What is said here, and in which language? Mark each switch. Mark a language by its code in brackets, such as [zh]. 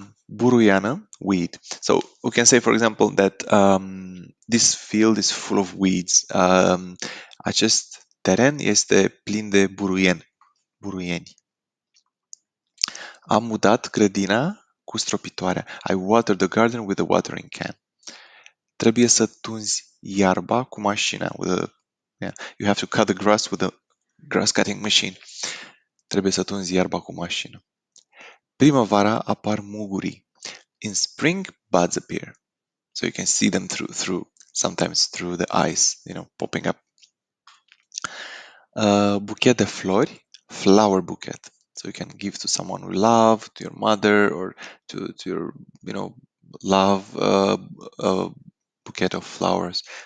[en] Buruiana, weed. So we can say, for example, that this field is full of weeds. [ro] Acest teren este plin de buruieni. Buruieni. Am udat grădina cu stropitoarea. [en] I watered the garden with a watering can. [ro] Trebuie să tunzi iarba cu mașina. [en] You have to cut the grass with a grass cutting machine. [ro] Trebuie să tunzi iarba cu mașină. Primăvara apar mugurii. [en] In spring, buds appear. So you can see them sometimes through the ice, popping up. [ro] Buchet de flori, [en] flower bouquet. So you can give to someone we love, to your mother, or to your, love, a bouquet of flowers.